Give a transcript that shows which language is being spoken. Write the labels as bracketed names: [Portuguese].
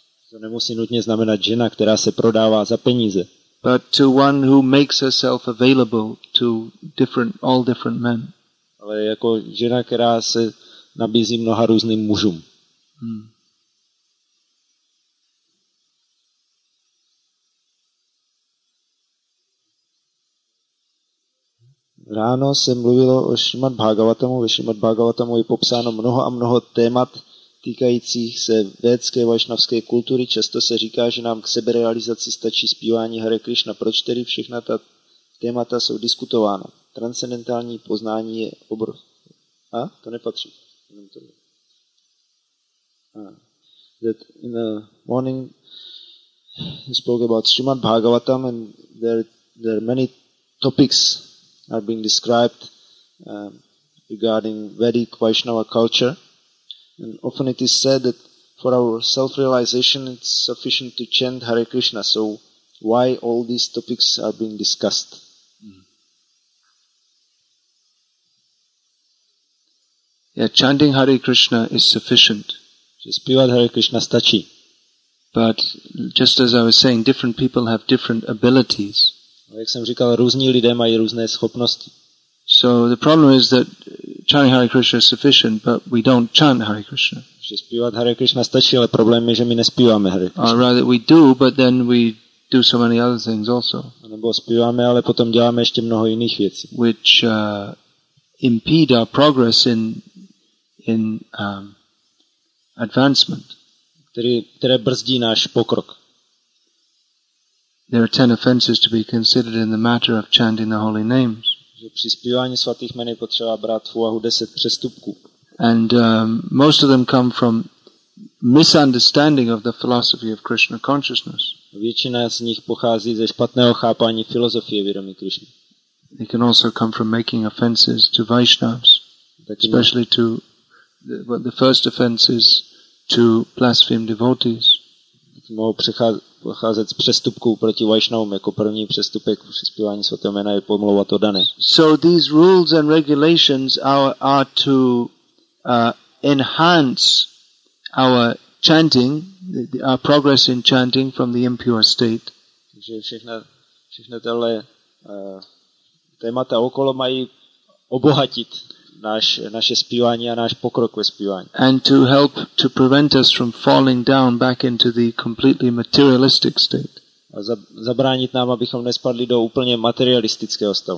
[Czech] To nemusí nutně znamenat žena, která se prodává za peníze. [English] But to one who makes herself available to all different men. [Czech] Ale jako žena, která se nabízí mnoha různým mužům. Ráno se mluvilo o Šrimad Bhagavatamu. Ve Šrimad Bhagavatamu je popsáno mnoho a mnoho témat týkajících se védské vaishnavské kultury. Často se říká, že nám k seberealizaci stačí zpívání Hare Krishna. Proč tedy všechna ta témata jsou diskutována? Transcendentální poznání je obrovské. A? To nepatří. [English] That in the morning you spoke about Srimad Bhagavatam and there are many topics are being described regarding Vedic Vaishnava culture. And often it is said that for our self-realization it's sufficient to chant Hare Krishna. So why all these topics are being discussed? Yeah, chanting Hare Krishna is sufficient. [Czech] Just zpívat Hare Krishna stačí. [English] But just as I was saying, different people have different abilities. [Czech] Jak jsem říkal, různí lidé mají různé schopnosti. [English] So the problem is that chanting Hare Krishna is sufficient, but we don't chant Hare Krishna. [Czech] Že zpívat Hare Krishna stačí, ale problém je, že my nespíváme Hare Krishna. [English] Or rather we do, but then we do so many other things also. [Czech] A nebo zpíváme, ale potom děláme ještě mnoho jiných věcí. [English] Which impede our progress in advancement. [Czech] Které brzdí náš pokrok. [English] There are 10 offenses to be considered in the matter of chanting the holy names. [Czech] Že při zpívání svatých jmen je potřeba brát v úvahu 10 přestupků. [English] And most of them come from misunderstanding of the philosophy of Krishna consciousness. [Czech] Většina z nich pochází ze špatného chápání filozofie vědomí Krishna. [English] They can also come from making offenses to Vaishnavas, especially to the first offense is to blaspheme devotees. [Czech] Pocházet z přestupků proti Vaishnavům, jako první přestupek při zpívání svatého jména je pomlouvat o dané. [English] So these rules and regulations are to enhance our chanting, our progress in chanting from the impure state. [Czech] Takže všechny tyhle témata okolo mají obohatit naše zpívání a náš pokrok ve zpívání. [English] And to help to prevent us from falling down back into the completely materialistic state. [Czech] A zabránit nám, abychom nespadli do úplně materialistického stavu.